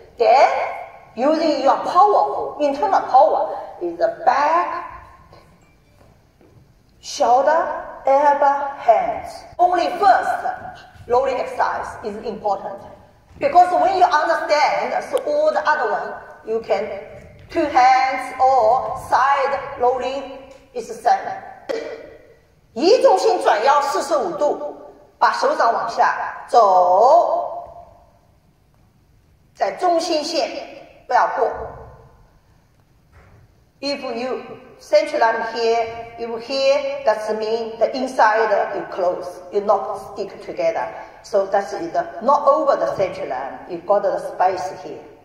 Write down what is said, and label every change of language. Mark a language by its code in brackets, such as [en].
[en] Then, using your powerful, internal power, is the back, shoulder, elbow, hands. Only first, rolling exercise is important. Because when you understand, so all the other one, you can two hands or side rolling is the same. [zh] 移重心转腰45度，把手掌往下走，在中心线不要过。 [en] If you centralize here, you here, that's mean the inside you close, you not stick together. So that's it, not over the centralize, you got the space here.